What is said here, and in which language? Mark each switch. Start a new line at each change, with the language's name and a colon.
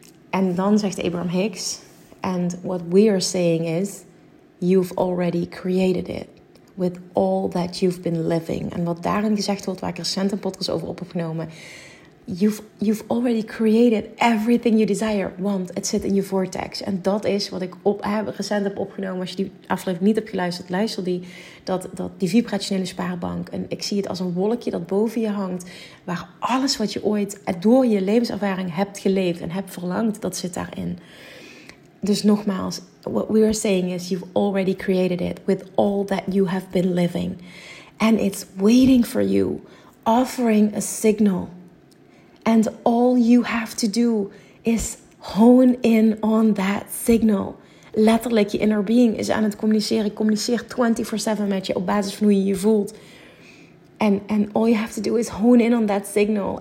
Dutch: En dan zegt
English: Abraham Hicks, and what we are saying is, you've already created it with all that you've been living.
Dutch: En wat daarin gezegd wordt, waar ik recent een podcast over op heb genomen.
English: You've already created everything you desire,
Dutch: want it zit in je vortex. En dat is wat ik recent heb opgenomen. Als je die aflevering niet hebt geluisterd, luister die. Dat die vibrationele spaarbank. En ik zie het als een wolkje dat boven je hangt. Waar alles wat je ooit door je levenservaring hebt geleefd en hebt verlangd, dat zit daarin. Dus nogmaals,
English: what we are saying is, you've already created it with all that you have been living. And it's waiting for you, offering a signal. And all you have to do is hone in on that signal.
Dutch: Letterlijk, je inner being is aan het communiceren. Ik communiceer 24/7 met je op basis van hoe je je voelt.
English: And all you have to do is hone in on that signal.